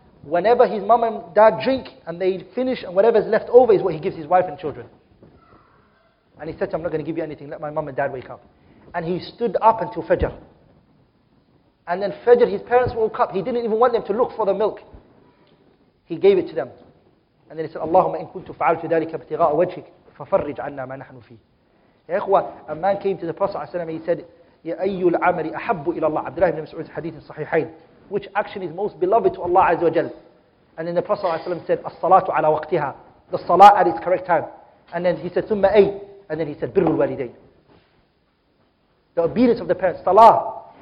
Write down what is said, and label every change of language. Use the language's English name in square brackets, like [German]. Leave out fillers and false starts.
[English] Whenever his mom and dad drink and they finish and whatever's left over is what he gives his wife and children. And he said, I'm not going to give you anything. Let my mom and dad wake up. And he stood up until Fajr. And then Fajr, his parents woke up. He didn't even want them to look for the milk. He gave it to them. And then he said, [Arabic] اللهم إن كنت فعلت ذلك ابتغاء وجهك ففرج عنا ما نحن فيه. [English] Ya, a man came to the Prophet ﷺ and he said, Ya ayyul amali ahabbu ila Allah. Abdullah ibn Mas'ud's hadith in Sahihain. Which action is most beloved to Allah Azza wa Jal? And then the Prophet ﷺ said, As-salatu ala waqtiha. The salah at its correct time. And then he said, Thumma ay. And then he said, Birrul walidain. The obedience of the parents, salah.